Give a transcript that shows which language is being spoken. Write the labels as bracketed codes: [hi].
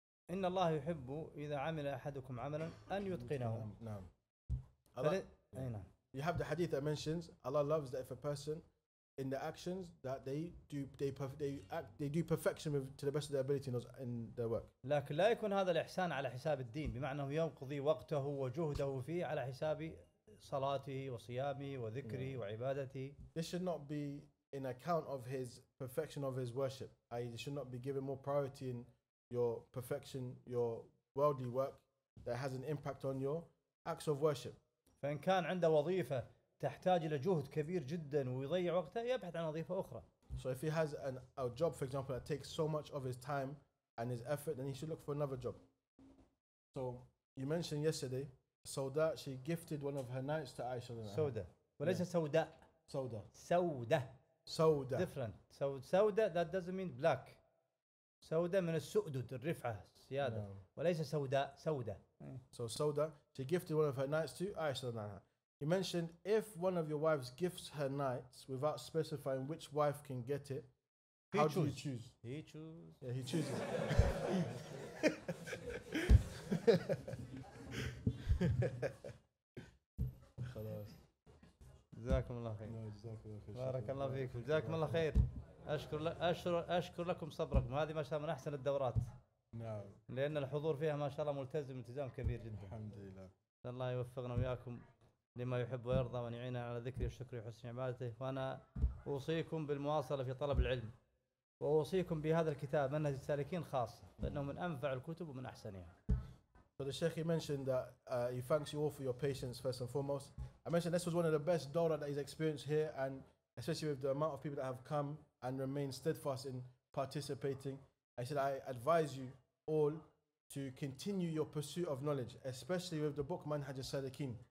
[ar] إن الله يحب إذا عمل أحدكم عملا أن يتقنه. نعم. نعم. [en] You have the hadith that mentions Allah loves that if a person in the actions that they do they do perfection with, to the best of their ability in their work. [ar] لكن لا يكون هذا الإحسان على حساب الدين بمعنى أنه يقضي وقته وجهده فيه على حساب صلاته وصيامه وذكره وعبادته. [en] This should not be in account of his perfection of his worship. I should not be given more priority in your perfection, your worldly work that has an impact on your acts of worship. [ar] فإن كان عنده وظيفة تحتاج إلى جهد كبير جدا ويضيع وقته يبحث عن وظيفة أخرى. [en] So if he has a job, for example, that takes so much of his time and his effort, then he should look for another job. So you mentioned yesterday, Sawda, she gifted one of her knights to Aisha. [ar] سوداء. وليس سوداء. سوداء. سوداء. سوداء. [en] Different. Sawda that doesn't mean black. [ar] سوداء من السؤدد الرفعة سيادة وليس سوداء سوداء. [en] So Sawda she gifted one of her knights to Aisha. He mentioned if one of your wives gifts her knights without specifying which wife can get it, how do you choose? He chooses. Yeah, he chooses. [ar] خلاص. جزاكم الله خير. جزاكم الله خير. بارك الله فيكم. جزاكم الله خير. أشكر لكم صبركم هذه ما شاء الله من أحسن الدورات. نعم. لأن الحضور فيها ما شاء الله ملتزم التزام كبير جدا. الحمد لله. الله يوفقنا وياكم لما يحب ويرضى وأن يعيننا على ذكره وشكره وحسن عبادته. وأنا أوصيكم بالمواصلة في طلب العلم وأوصيكم بهذا الكتاب منهج السالكين خاصة لأنه من أنفع الكتب ومن أحسنها. [en] So the Sheikh mentioned that he thanks you all for your patience first and foremost. I mentioned this was one of the best dawra that he's experienced here and especially with the amount of people that have come and remain steadfast in participating. I said, I advise you all to continue your pursuit of knowledge, especially with the book Manhaj al-Salikin.